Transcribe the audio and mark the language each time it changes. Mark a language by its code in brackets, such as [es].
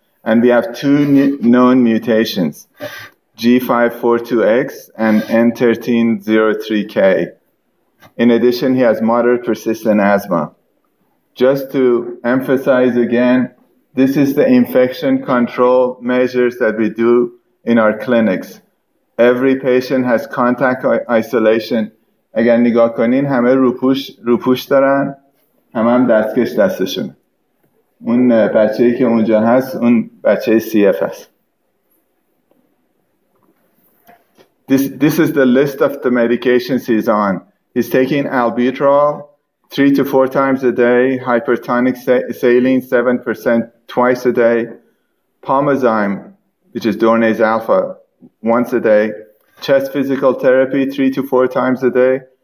[en] And we have two known mutations, G542X and N1303K. In addition, he has moderate persistent asthma. Just to emphasize again, this is the infection control measures that we do in our clinics. Every patient has contact isolation. [fa] اگر نگاه کنین همه روپوش دارن، همه هم دستکش دستشون. اون بچه‌ای که اونجا هست، اون بچه سی اف هست. [en] This is the list of the medications he's on. He's taking albuterol 3 to 4 times a day, hypertonic saline 7% twice a day, Pomazyme, which is Dornase alpha, once a day, chest physical therapy 3 to 4 times a day.